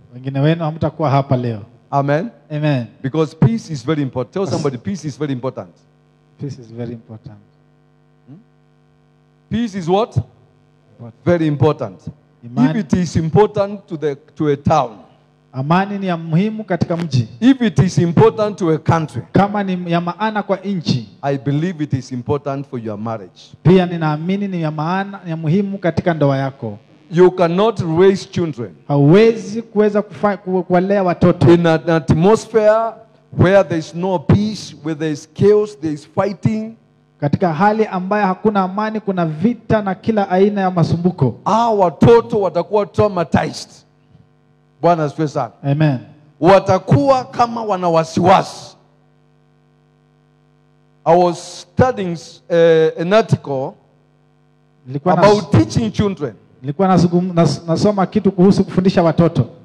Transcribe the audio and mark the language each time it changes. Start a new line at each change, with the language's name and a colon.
Swahili: Wengine wenu hamtakuwa hapa leo. Amen. Amen.
English: Because peace is very important. Tell somebody peace is very important. Peace is very important. Peace is what? Important. Very important. Imani. If it is important to a town.
Swahili: Amani ni ya muhimu katika mji.
English: If it is important to a country.
Swahili: Kama ni ya maana kwa inchi.
English: I believe it is important for your marriage.
Swahili: Pia ninaamini ni ya maana ni ya muhimu katika ndoa yako.
English: You cannot raise children.
Swahili: Hawezi kuweza kuwalea watoto.
English: In an atmosphere where there is no peace, where there is chaos, there is fighting.
Swahili: Katika hali ambayo hakuna amani, kuna vita na kila aina ya masumbuko. Hawa watoto watakuwa traumatized. Bwana asifiwe sana. Amen. Watakuwa kama wana wasiwasi.
English: I was studying an article about teaching children.
Swahili: Nilikuwa nasoma kitu kuhusu kufundisha watoto.